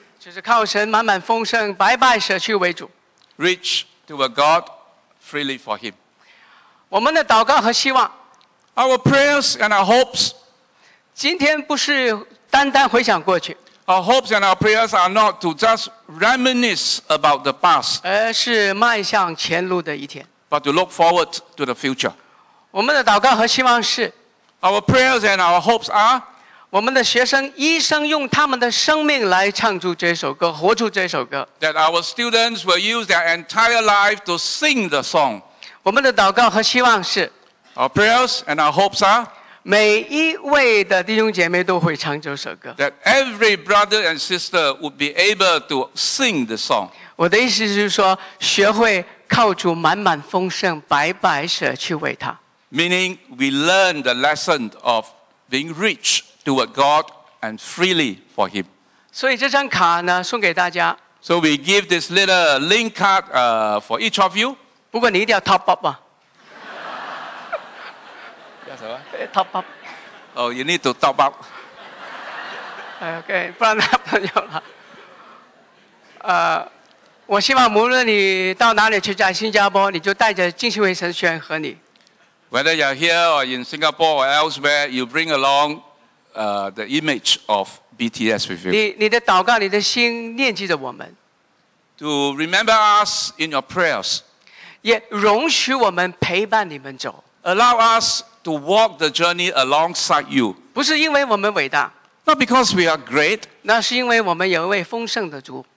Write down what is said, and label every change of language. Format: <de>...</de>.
<zh>就是靠神满满丰盛，白白舍去为主。</zh> <en>Reach to a God freely for Him。</en> <zh>我们的祷告和希望。</zh> <en>Our prayers and our hopes。</en> <zh>今天不是单单回想过去。</zh> <en>Our hopes and our prayers are not to just reminisce about the past.</en> <zh>而是迈向前路的一天。</zh> <en>But to look forward to the future.</en> <zh>我们的祷告和希望是。</zh> <en>Our prayers and our hopes are.</en> <zh>我们的学生一生用他们的生命来唱出这首歌，活出这首歌。</zh> <en>That our students will use their entire life to sing the song.</en> <zh>我们的祷告和希望是。</zh> <en>Our prayers and our hopes are.</en> <zh>每一位的弟兄姐妹都会唱这首歌。</zh> <en>That every brother and sister would be able to sing the song.</en> <zh>我的意思就是说，学会靠主满满丰盛，白白舍去为他。</zh> <en>Meaning we learn the lesson of being rich toward God and freely for Him.</en> <zh>所以这张卡呢，送给大家。</zh> <en>So we give this little link card for each of you.</en> <zh>不过你一定要 top up 啊。</zh> <en>Top up. Oh, you need to top up.</en> <zh>Okay, 不然他朋友了。我希望无论你到哪里去，在新加坡，你就带着敬信会神学院和你。</zh> <en>Whether you're here or in Singapore or elsewhere, you bring along, the image of BTS with you.</en> <zh>你的祷告，你的心念记着我们。</zh> <en>To remember us in your prayers.</en> <zh>也容许我们陪伴你们走。</zh> <en>Allow us. To walk the journey alongside you.</en> <zh>不是因为我们伟大。</zh> <en>Not because we are great.</en> <zh>那是因为我们有一位丰盛的主。</zh>